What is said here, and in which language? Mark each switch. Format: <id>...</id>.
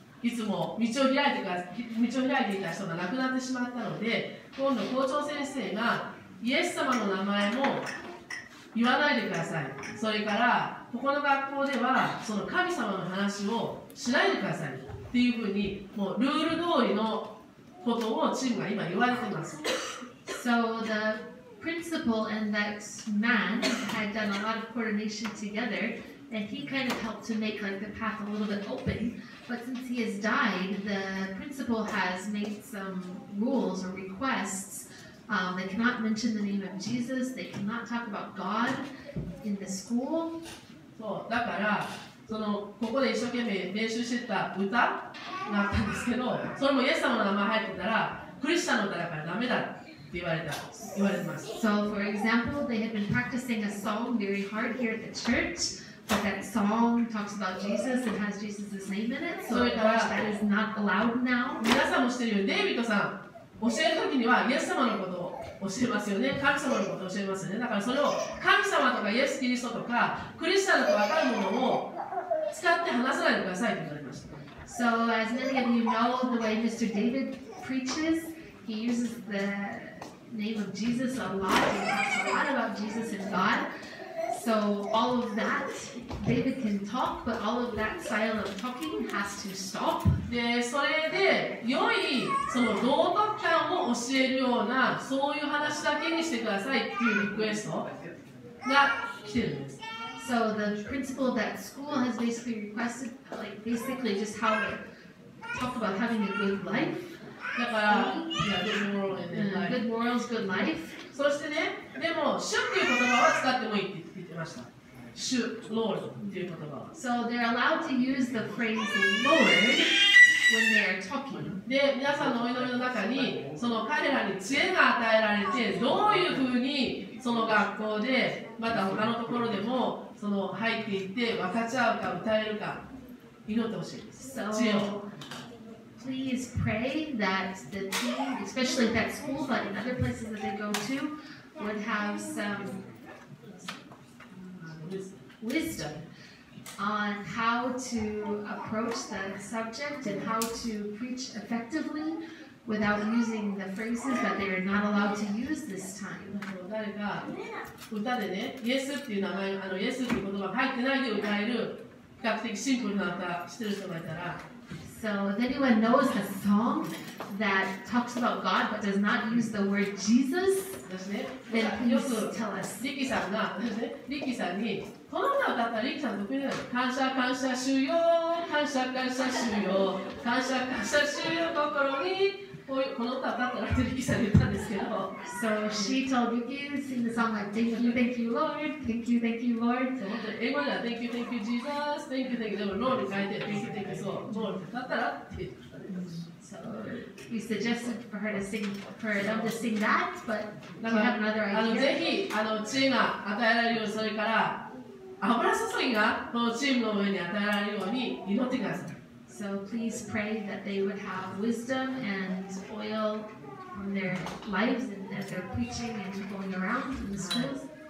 <ja>いつも道を開いていた人が亡くなってしまったので、今度校長先生がイエス様の名前も言わないでください。それからここの学校ではその神様の話をしないでくださいっていうふうにもうルール通りのことをチームが今言われています。</ja> <en>So the principal and that man had done a lot of coordination together, and he kind of helped to make like the path a little bit open. But since he has died, the principal has made some rules or requests. They cannot mention the name of Jesus. They cannot talk about God in the school.</en> <ja>そう、だから、その、ここで一生懸命練習してた歌があったんですけど、それもイエス様の名前入ってたら、クリスチャンの歌だからダメだって言われてます。</ja> <en>So, for example, they have been practicing a song very hard here at the church, but that song talks about Jesus and has Jesus' name in it. So, of course, that is not allowed now.</en> <ja>皆さんも知ってるよ、デイビッドさん。教えるときにはイエス様のことを教えますよね。神様のことを教えますよね。だからそれを神様とかイエス・キリストとかクリスチャンと分かるものを使って話さないでくださいと言われました。</ja> <en>So, as many of you know, the way Mr. David preaches, he uses the name of Jesus a lot. He talks a lot about Jesus and God. So, So all of that, David can talk, but all of that silent talking has to stop.</en> <ja>で、それで良いその道徳感を教えるようなそういう話だけにしてくださいっていうリクエストが来てるんです。</ja> <en>So the principal that school has basically requested, like basically just how to talk about having a good life.</en> <ja>だから、</ja> <en>yeah, good moral and then life. Good morals, good life.</en> <ja>そしてね、でも主っていう言葉は使ってもいいって言ってました。主、Lord っていう言葉。</ja> <en>So they're allowed to use the phrase Lord when they are talking.</en> <ja>で、皆さんのお祈りの中に、その彼らに知恵が与えられて、どういうふうにその学校で、また他のところでもその入っていって分かち合うか歌えるか祈ってほしいです。 So, 知恵を。</ja> <en>Please pray that the team, especially at that school, but in other places that they go to, would have some wisdom on how to approach the subject and how to preach effectively without using the phrases that they are not allowed to use this time.</en> <ja>誰か歌でね、イエスっていう名前、あのイエスっていう言葉入ってないで歌える比較的シンプルな歌してる人がいたら、</ja> <en>So if anyone knows a song that talks about God but does not use the word Jesus, then please tell us.</en> <ja>Ricky さんが、Ricky さんに、この歌を歌ったら Ricky さん得意だよ。感謝感謝主よ、感謝感謝主よ、感謝感謝主よ心に。この歌を歌ったらって Ricky さんに言ったんですけど。</ja> <en>So she told Ricky to sing the song like, thank you, Lord, thank you, thank you, Lord.</en> <ja>英語では、</ja> <en>thank you, Jesus, thank you, thank you.</en> <ja>でも、Lord に変えて、</ja> <en>thank you, thank you, so, Lord</en> <ja>って歌ったらって。</ja> <en>So we suggested for her to sing, for them to sing that, but we have another idea.</en> <ja>ぜひ、あの知恵が与えられるように、それから、油注ぎがこのチームの上に与えられるように祈ってください。</ja> <en>So please pray that they would have wisdom and oil on their lives and that they're preaching and going around in the schools.</en>